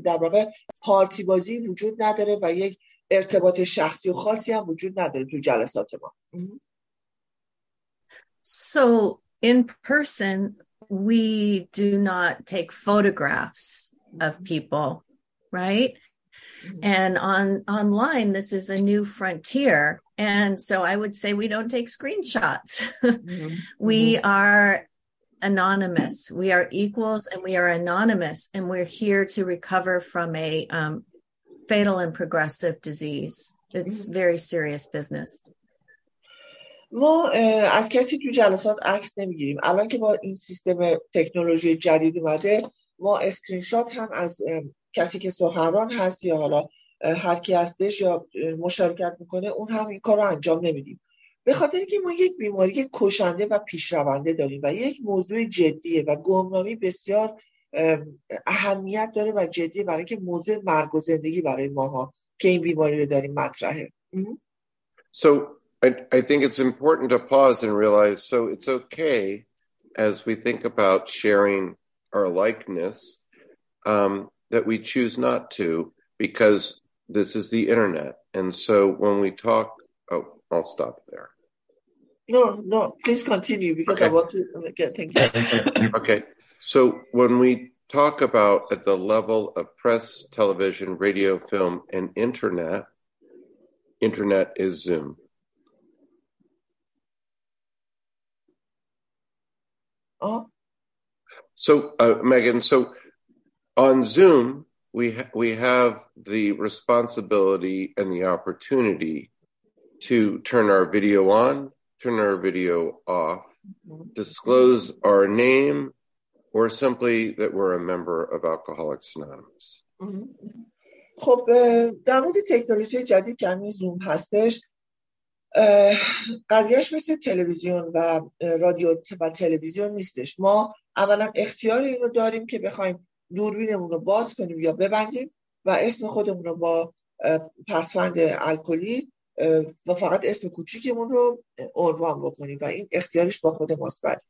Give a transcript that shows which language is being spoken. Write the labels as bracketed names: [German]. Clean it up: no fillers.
[Persian] در واقع پارتی بازی وجود نداره و یک ارتباط شخصی و خاصی هم وجود نداره تو جلسات ما. [English] So in person we do not take photographs of people, right? And online this is a new frontier, and so I would say we don't take screenshots. We are anonymous. We are equals and we are anonymous, and we're here to recover from a fatal and progressive disease. It's very serious business. [Persian] ما از کسی تو جلسات عکس نمیگیریم. الان که با این سیستم تکنولوژی جدید اومده، ما اسکرین شات هم از کسی که سخنران هست یا حالا هر کی هستش یا مشارکت میکنه، اون هم این کارو انجام نمیدیم. به خاطر اینکه ما یک بیماری کشنده و پیشرونده داریم و یک موضوع جدیه و گمنامی بسیار اهمیت داره و جدیه، برای که موضوع مرگ و زندگی برای ماها که این بیماری رو داریم مطرحه. [English] So I think it's important to pause and realize, so it's okay as we think about sharing our likeness that we choose not to, because this is the internet. And so when we talk, oh, I'll stop there. No, please continue, because okay. I want to get thank you. Okay, so when we talk about at the level of press, television, radio, film, and internet is Zoom. So Megan, so on Zoom we have the responsibility and the opportunity to turn our video on, turn our video off, disclose our name, or simply that we're a member of Alcoholics Anonymous. [Persian] خب در مورد تکنولوژی جدید که همین زوم هستش، قضیهش مثل تلویزیون و رادیو و تلویزیون نیستش. ما اولا اختیار این رو داریم که بخوایم دوربینمون رو باز کنیم یا ببندیم، و اسم خودمون رو با پسوند الکلی و فقط اسم کوچیکمون رو عنوان بکنیم، و این اختیارش با خود ماست.